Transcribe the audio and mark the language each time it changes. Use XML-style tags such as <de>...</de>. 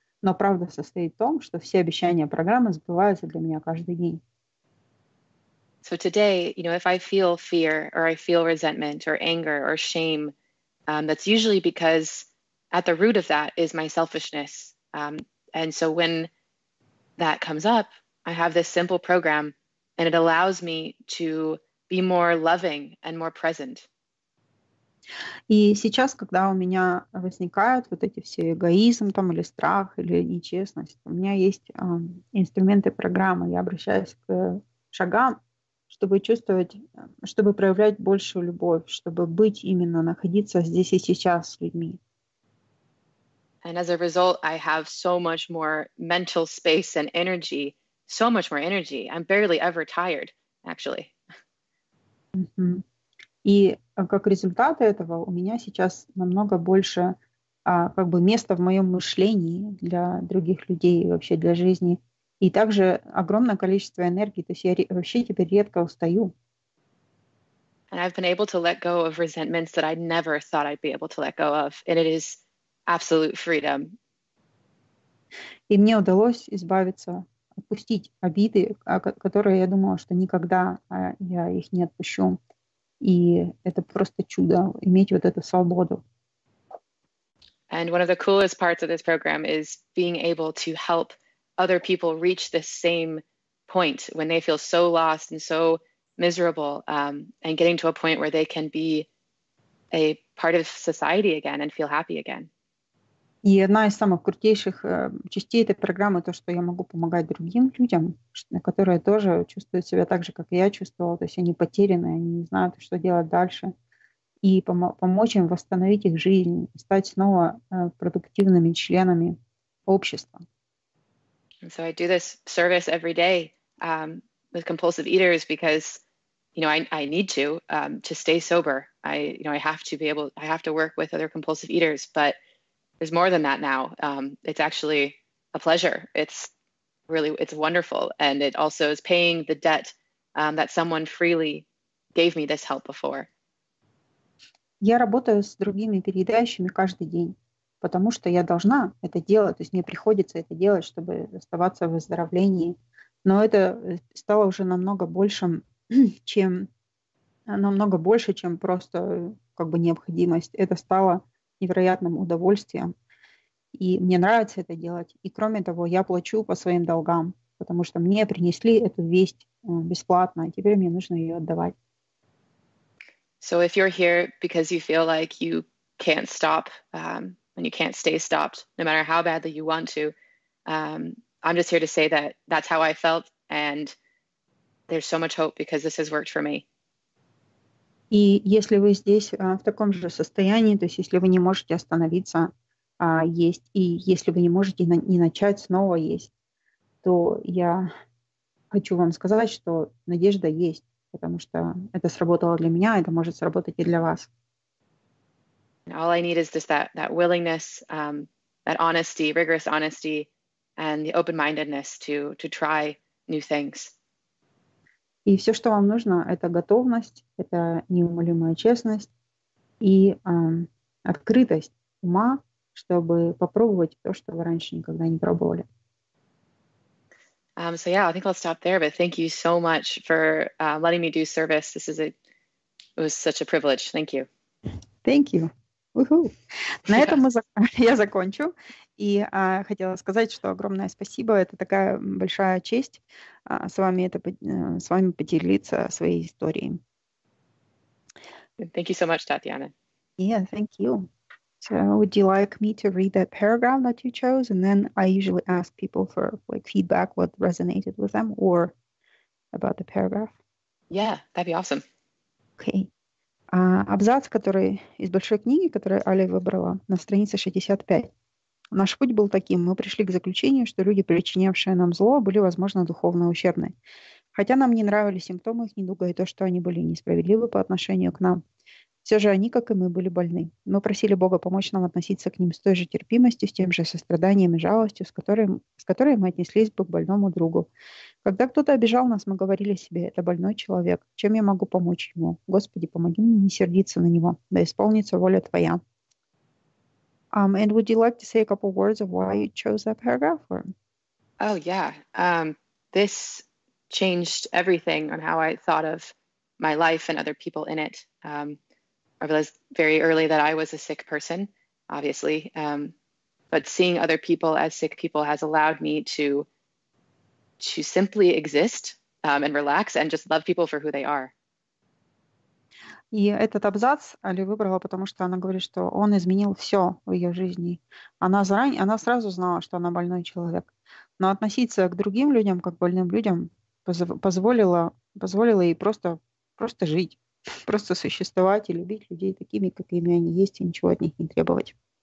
<ru>Но правда состоит в том, что все обещания программы сбываются для меня каждый день.</ru> <en>So today, you know, if I feel fear or I feel resentment or anger or shame, that's usually because at the root of that is my selfishness. And so when that comes up, I have this simple program and it allows me to be more loving and more present.</en> <ru>И сейчас, когда у меня возникают вот эти все эгоизм там, или страх, или нечестность, у меня есть инструменты программы. Я обращаюсь к шагам, чтобы чувствовать, чтобы проявлять большую любовь, чтобы быть именно, находиться здесь и сейчас с людьми.</ru> <en>And as a result, I have so much more mental space and energy, so much more energy. I'm barely ever tired, actually. Mm-hmm.</en> <ru>И как результат этого у меня сейчас намного больше как бы места в моем мышлении для других людей и вообще для жизни. И также огромное количество энергии, то есть я вообще теперь редко устаю.</ru> <en>And I've been able to let go of resentments that I never thought I'd be able to let go of, and it is absolute freedom.</en> <ru>И мне удалось избавиться, отпустить обиды, которые я думала, что никогда я их не отпущу. И это просто чудо, иметь вот эту свободу.</ru> <en>And one of the coolest parts of this program is being able to help other people reach this same point when they feel so lost and so miserable, and getting to a point where they can be a part of society again and feel happy again.</en> <ru>И одна из самых крутейших частей этой программы то, что я могу помогать другим людям, которые тоже чувствуют себя так же, как и я чувствовала, то есть они потеряны, они не знают, что делать дальше, и помочь им восстановить их жизнь, стать снова продуктивными членами общества.</ru> <en>And so I do this service every day with compulsive eaters because, you know, I need to stay sober. I have to work with other compulsive eaters, but there's more than that now. It's actually a pleasure. It's wonderful. And it also is paying the debt that someone freely gave me this help before.</en> <ru>Я работаю с другими переедающими каждый день. Потому что я должна это делать, то есть мне приходится это делать, чтобы оставаться в выздоровлении. Но это стало уже намного больше, чем просто как бы необходимость. Это стало невероятным удовольствием, и мне нравится это делать. И кроме того, я плачу по своим долгам, потому что мне принесли эту весть бесплатно, и теперь мне нужно ее отдавать.</ru> <en>So if you're here because you feel like you can't stop, and you can't stay stopped, no matter how badly you want to. I'm just here to say that that's how I felt, and there's so much hope because this has worked for me.</en> <ru>И если вы здесь в таком же состоянии, то есть если вы не можете остановиться есть, и если вы не можете не начать снова есть, то я хочу вам сказать, что надежда есть, потому что это сработало для меня, это может сработать и для вас.</ru> <en>All I need is just that willingness, that honesty, rigorous honesty, and the open-mindedness to try new things.</en> <ru>И все, что вам нужно, это готовность, это неумолимая честность и открытость ума, чтобы попробовать то, что вы раньше никогда не пробовали.</ru> <en>So yeah, I think I'll stop there, but thank you so much for letting me do service. It was such a privilege. Thank you. Thank you.</en> <ru>На этом я закончу. И хотела сказать, что огромное спасибо. Это такая большая честь с вами поделиться своей историей.</ru> <en>Thank you so much, Tatiana. Yeah, thank you. So would you like me to read that paragraph that you chose? And then I usually ask people for like feedback, what resonated with them or about the paragraph. Yeah, that'd be awesome. Okay.</en> <ru>Абзац, который из большой книги, которую Аля выбрала, на странице 65. Наш путь был таким. Мы пришли к заключению, что люди, причинявшие нам зло, были, возможно, духовно ущербны. Хотя нам не нравились симптомы их недуга и то, что они были несправедливы по отношению к нам. Все же они, как и мы, были больны. Мы просили Бога помочь нам относиться к ним с той же терпимостью, с тем же состраданием и жалостью, с которой мы отнеслись бы к больному другу. Когда кто-то обижал нас, мы говорили себе, это больной человек. Чем я могу помочь ему? Господи, помоги мне не сердиться на него, да исполнится воля Твоя.</ru> <en>And would you like to say a couple words of why you chose that paragraph? Or? Oh, yeah. This changed everything on how I thought of my life and other people in it. I realized very early that I was a sick person, obviously. But seeing other people as sick people has allowed me to simply exist and relax and just love people for who they are.</en> <ru>И этот абзац Али выбрала, потому что она говорит, что он изменил все в ее жизни. Она сразу знала, что она больной человек. Но относиться к другим людям, как к больным людям, позволило ей просто жить, просто существовать и любить людей такими, какими они есть, и ничего от них не требовать.</ru>